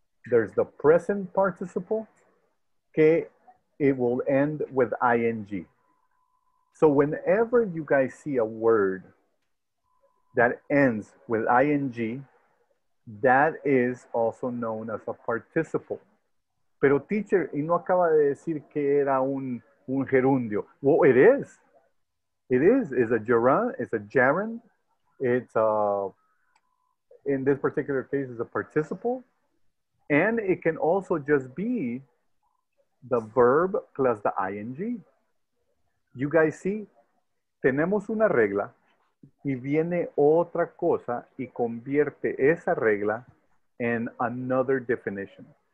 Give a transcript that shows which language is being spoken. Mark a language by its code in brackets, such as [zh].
[en] There's the present participle, que it will end with ing. So whenever you guys see a word that ends with ing, that is also known as a participle. [es] Pero teacher, y no acaba de decir que era un gerundio. [en] Well, it is. It is. It's a gerund. It's a gerund. It's a, in this particular case, it's a participle. And it can also just be the verb plus the ing. You guys see, [es] tenemos una regla y viene otra cosa y convierte esa regla [en] in another definition.